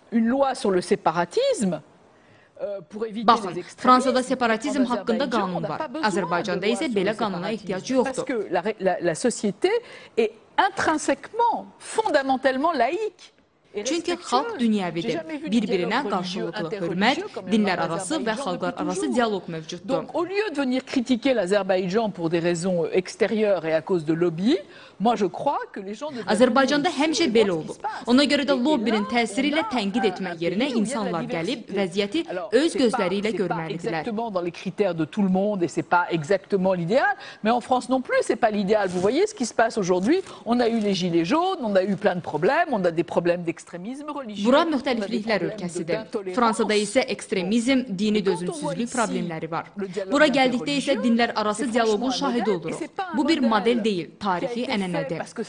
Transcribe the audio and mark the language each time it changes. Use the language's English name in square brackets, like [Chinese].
[French] Une loi sur le séparatisme pour éviter [Azerbaijani] Baxın, [French] les extrémistes. [Azerbaijani] Fransada separatizm haqqında qanun var. Azərbaycanda isə belə qanuna ehtiyac yoxdur. [French] Parce que la société est intrinsèquement, fondamentalement laïque. [Azerbaijani] Çünki xalq dünyəvidir. Bir-birinə qarşılıqlı hörmət, dinlər arası və xalqlar arası dialoq mövcuddur. [French] Donc, au lieu de venir critiquer l'Azerbaïdjan pour des raisons extérieures et à cause de lobby, moi je crois que les gens de [Azerbaijani] Azərbaycanda həmişə belə olub. Ona görə də lobbinin təsiri ilə tənqid etmək yerinə insanlar gəlib vəziyyəti öz gözləri ilə görməlidirlər. [French] Exactement dans les critères de tout le monde et c'est pas exactement l'idéal, mais en France non plus c'est pas l'idéal. Vous voyez ce qui se passe aujourd'hui? On a eu les gilets jaunes, on a eu plein de problèmes, on a des problèmes [Azerbaijani] Bura müxtəlifliklər ölkəsidir. Fransada isə ekstremizm, dini dözümsüzlük problemləri var. Bura gəldikdə isə dinlər arası dialoqun şahidi oluruq. Bu bir model deyil, tarixi ənənədir.